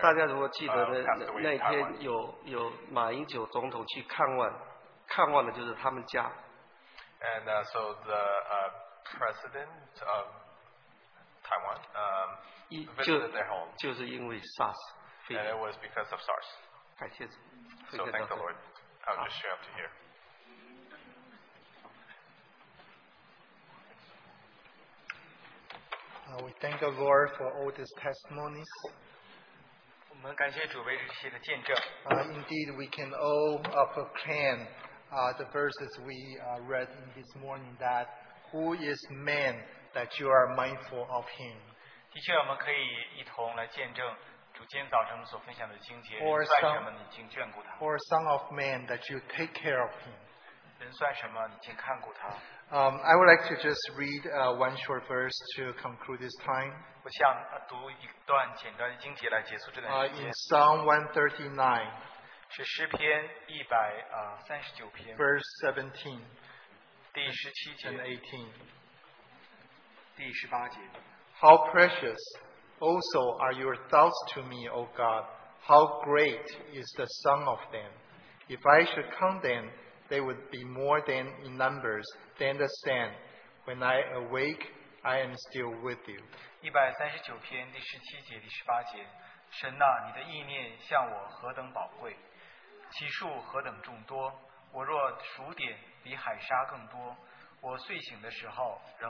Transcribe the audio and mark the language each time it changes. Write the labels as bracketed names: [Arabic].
[Chinese] 大家如果记得那天有马英九总统去看望，看望的就是他们家。And [English] so the president of Taiwan, visited their home. [Chinese] 就是因为 SARS, [English] and it was because of SARS. [Chinese] 感谢主, [English] so thank the Lord. I'll just share up to here. We thank the Lord for all these testimonies. [Chinese] 我们感谢主为这些的见证. [English] Indeed, we can all proclaim the verses we read in this morning that who is man that you are mindful of him. [Chinese] 的确我们可以一同来见证主今早晨所分享的经节, [English] or son of man that you take care of him. [Chinese] 人算什么,你已经看顾他。 [English] I would like to just read one short verse to conclude this time. [Chinese] 我想读一段简短的经节来结束这段时间。 [English] In Psalm 139, [Chinese] 是诗篇139篇, [English] verse 17, [Chinese] 第十七节, [English] and 18. [Chinese] 第十八节, [English] how precious also are your thoughts to me, O God. How great is the sum of them. If I should count them, they would be more than in numbers than the sand. When I awake, I am still with you. [Chinese] 139篇第17节第18节, 神啊, 你的意念向我何等宝贵, 其数何等众多, 我若数点比海沙更多, 我睡醒的时候,